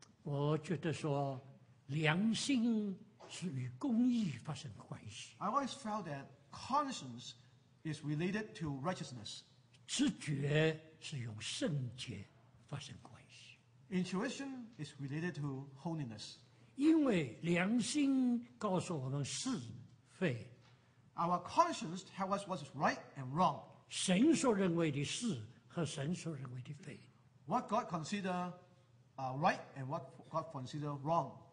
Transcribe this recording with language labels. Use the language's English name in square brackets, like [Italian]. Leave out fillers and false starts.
[Chinese] 我觉得说, 良心是与公义发生关系。 [English] I always felt that conscience is related to righteousness. [Chinese] 直觉是与圣洁发生关系。 [English] Intuition is related to holiness. [Chinese] 因为良心告诉我们是非。 [English] Our conscience tells us what is right and wrong. [Chinese] 神所认为的是和神所认为的非。 [English] What God considers right and what God considers wrong.